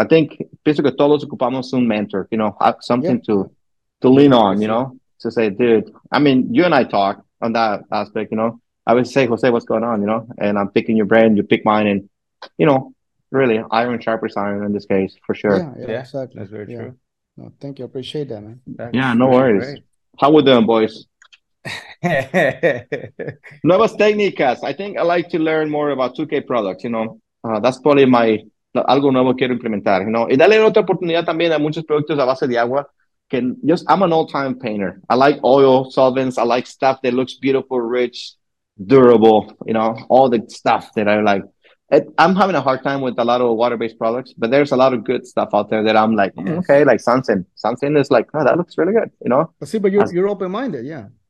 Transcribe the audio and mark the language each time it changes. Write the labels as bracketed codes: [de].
[en] I think [es] pienso que todos ocupamos un mentor, [en] you know, something to lean on, you know, to say, dude, I mean, you and I talk on that aspect, you know, I would say, Jose, what's going on, you know, and I'm picking your brain, you pick mine, and, you know, really, iron sharpens iron in this case, for sure. Yeah, exactly. That's very true. No, thank you. I appreciate that, man. That's no worries. Great. How we doing, boys? [es] Nuevas técnicas. [en] I think I like to learn more about 2K products, you know. That's probably [es] algo nuevo quiero implementar, [en] you know. [es] Y dale otra oportunidad también a muchos productos a base de agua. [en] I'm an all-time painter. I like oil, solvents. I like stuff that looks beautiful, rich, durable, you know, all the stuff that I like. I'm having a hard time with a lot of water-based products, but there's a lot of good stuff out there that I'm like, okay, like Sunsin. Sunsin is like, oh, that looks really good, you know. See, but you're open-minded, yeah.